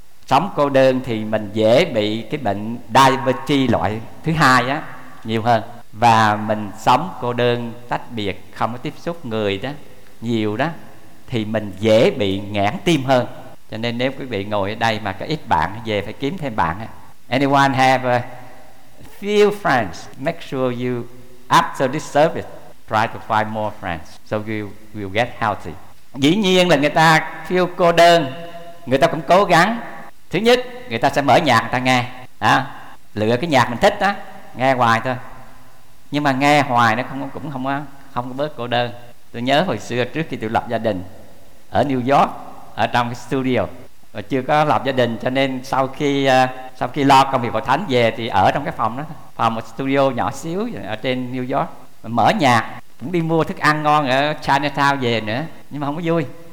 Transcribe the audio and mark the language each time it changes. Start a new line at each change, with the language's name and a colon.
Vietnamese: Sống cô đơn thì mình dễ bị cái bệnh diabetes loại thứ hai á nhiều hơn. Và mình sống cô đơn tách biệt không có tiếp xúc người đó nhiều đó thì mình dễ bị nghẽn tim hơn. Cho nên nếu quý vị ngồi ở đây mà có ít bạn, về phải kiếm thêm bạn.
English: Anyone have a few friends, make sure you after this service try to find more friends so you will get healthy.
Vietnamese: Dĩ nhiên là người ta feel cô đơn, người ta cũng cố gắng. Thứ nhất, người ta sẽ mở nhạc người ta nghe, lựa cái nhạc mình thích đó, nghe hoài thôi. Nhưng mà nghe hoài nó cũng không có bớt cô đơn. Tôi nhớ hồi xưa trước khi tôi lập gia đình ở New York, ở trong cái studio, và chưa có lập gia đình, cho nên sau khi lo công việc hội thánh về thì ở trong cái phòng đó, phòng một studio nhỏ xíu ở trên New York, mở nhạc, cũng đi mua thức ăn ngon ở Chinatown về nữa, nhưng mà không có vui.